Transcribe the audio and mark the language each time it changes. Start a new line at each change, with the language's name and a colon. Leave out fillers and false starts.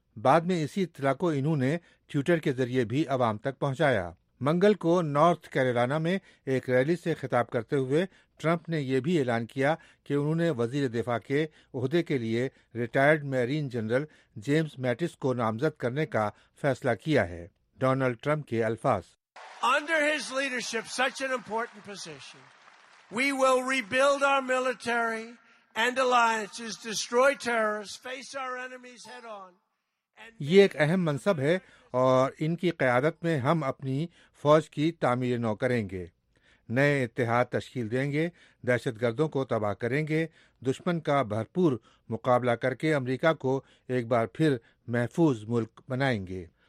Urdu: بعد میں اسی اطلاع کو انہوں نے ٹویٹر کے ذریعے بھی عوام تک پہنچایا. منگل کو نارتھ کیرولینا میں ایک ریلی سے خطاب کرتے ہوئے ٹرمپ نے یہ بھی اعلان کیا کہ انہوں نے وزیر دفاع کے عہدے کے لیے retired marine general James Mattis کو نامزد کرنے کا فیصلہ کیا ہے. ڈونلڈ ٹرمپ کے الفاظ:
English: Under his leadership, such an important position, we will rebuild our military and alliances, destroy terrorists, face our enemies head on.
Urdu: یہ ایک اہم منصب ہے اور ان کی قیادت میں ہم اپنی فوج کی تعمیر نو کریں گے, نئے اتحاد تشکیل دیں گے, دہشت گردوں کو تباہ کریں گے, دشمن کا بھرپور مقابلہ کر کے امریکہ کو ایک بار پھر محفوظ ملک بنائیں گے.